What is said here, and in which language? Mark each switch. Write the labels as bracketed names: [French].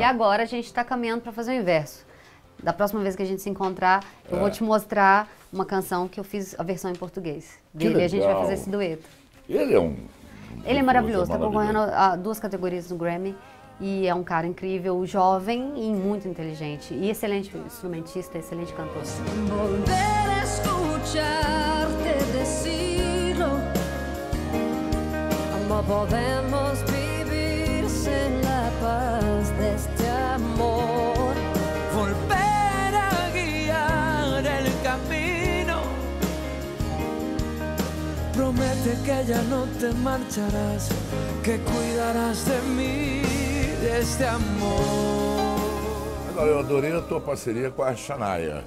[Portuguese] E agora a gente está caminhando para fazer o inverso. Da próxima vez que a gente se encontrar, eu vou te mostrar uma canção que eu fiz a versão em português. Que legal. E a gente vai fazer esse dueto. Ele é maravilhoso, tá concorrendo a duas categorias no Grammy e é um cara incrível, jovem e muito inteligente e excelente instrumentista, excelente cantor. [Spanish] Volver a escucharte decir como podemos vivir sem la paz [Portuguese] deste amor. [Spanish] Volver a guiar el camino. Promete que ya no te marcharás, que cuidarás de mí, de este amor. [Portuguese] Agora, eu adorei a tua parceria com a Shania.